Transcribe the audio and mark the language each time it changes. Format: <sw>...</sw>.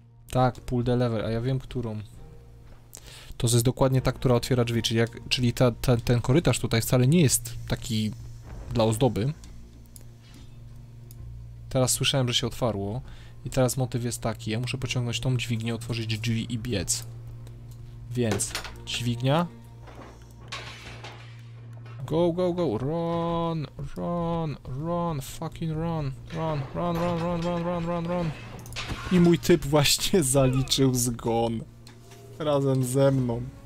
<pl>Tak,</pl> <en>pull the lever,</en> <pl>a ja wiem którą. To jest dokładnie ta, która otwiera drzwi, czyli, jak, czyli ten korytarz tutaj wcale nie jest taki dla ozdoby. Teraz słyszałem, że się otwarło i teraz motyw jest taki, ja muszę pociągnąć tą dźwignię, otworzyć drzwi i biec. Więc, dźwignia.</pl> <en>Go, go, go, run, run, run, fucking run, run, run, run, run, run, run, run, run.</en> <pl>I mój typ właśnie zaliczył zgon. Razem ze mną.</pl>